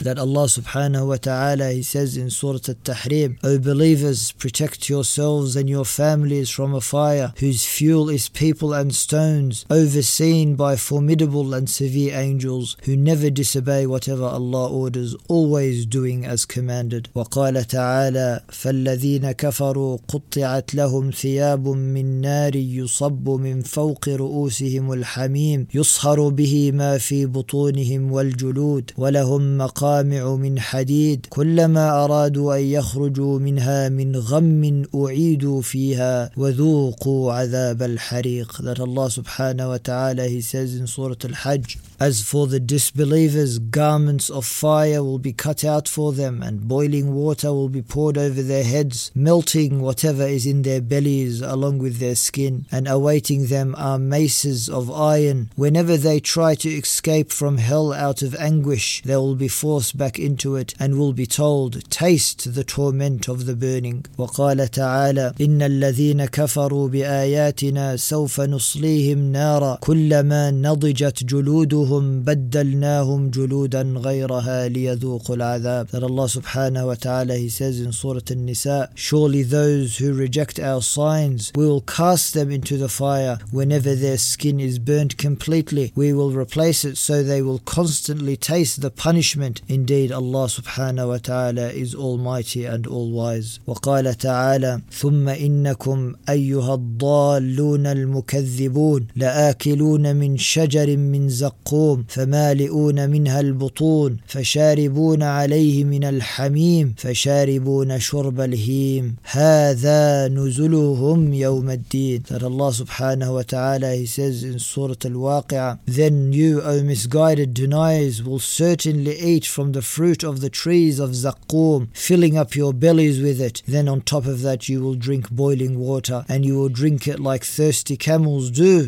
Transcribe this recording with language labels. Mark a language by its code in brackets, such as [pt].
[en] That Allah subhanahu wa ta'ala, he says in Surah Al-Tahrim, O believers, protect yourselves and your families from a fire whose fuel is people and stones, overseen by formidable and severe angels who never disobey whatever Allah orders, always doing as commanded. [ar] وقال تعالى فالذين كفروا قطعت لهم ثياب من من نار يصب من فوق رؤوسهم الحميم يصهر به ما في بطونهم والجلود ولهم مقامع من حديد كلما أرادوا أن يخرجوا منها من غم أعيدوا فيها وذوقوا عذاب الحريق. [en] That Allah subhanahu wa ta'ala, he says in Surah Al-Hajj, as for the disbelievers, garments of fire will be cut out for them, and boiling water will be poured over their heads, melting whatever is in their bellies along with their skin, and awaiting them are maces of iron. Whenever they try to escape from hell out of anguish, they will be forced back into it, and will be told, taste the torment of the burning. [ar] وَقَالَ تَعَالَى إِنَّ الَّذِينَ كَفَرُوا بِآيَاتِنَا سَوْفَ نُصْلِيهِمْ نَارًا كُلَّمَا نَضِجَتْ جُلُودُ بدلناهم جلودا غيرها ليذوقوا العذاب. [en] That Allah subhanahu wa ta'ala, he says in Surah An-Nisa, surely those who reject our signs, we will cast them into the fire. Whenever their skin is burnt completely, we will replace it so they will constantly taste the punishment. Indeed, Allah subhanahu wa ta'ala is almighty and all wise. [ar] وقال تعالى ثم إنكم أيها الضالون المكذبون لآكلون من شجر من زق قوم فمالئون منها البطون فشاربون عليه من الحميم فشاربون شرب الهيم هذا نزلهم يوم الدين. [en] That Allah subhanahu wa ta'ala, he says in Surah Al-Waqi'ah, then you, O misguided deniers, will certainly eat from the fruit of the trees of Zakkum, filling up your bellies with it. Then on top of that you will drink boiling water, and you will drink it like thirsty camels do.